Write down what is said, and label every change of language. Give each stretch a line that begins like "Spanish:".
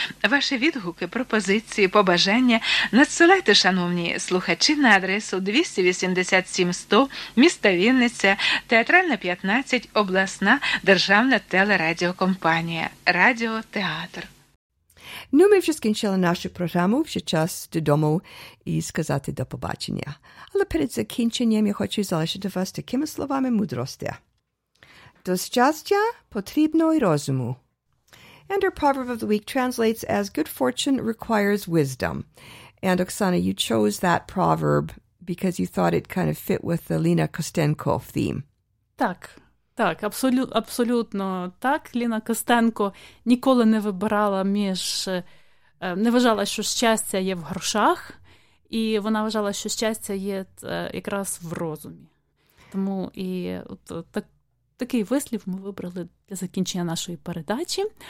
Ukrainian: Ваші відгуки, пропозиції, побажання надсилайте, шановні слухачі, на адресу 287-100, міста Вінниця, театральна 15, обласна державна телерадіокомпанія, радіотеатр. Ну, ми вже скінчили нашу програму, вже час додому і сказати до побачення. Але перед закінченням я хочу залишити вас такими словами мудрості. До щастя потрібно й розуму.
English: And our proverb of the week translates as good fortune requires wisdom. And Oksana, you chose that proverb because you thought it kind of fit with the Lina Kostenko theme.
Ukrainian: Так, так, абсолютно так. Ліна Костенко ніколи не вибирала між... не вважала, що щастя є в грошах. І вона вважала, що щастя є якраз в розумі. Тому і от так, такий вислів ми вибрали для закінчення нашої передачі.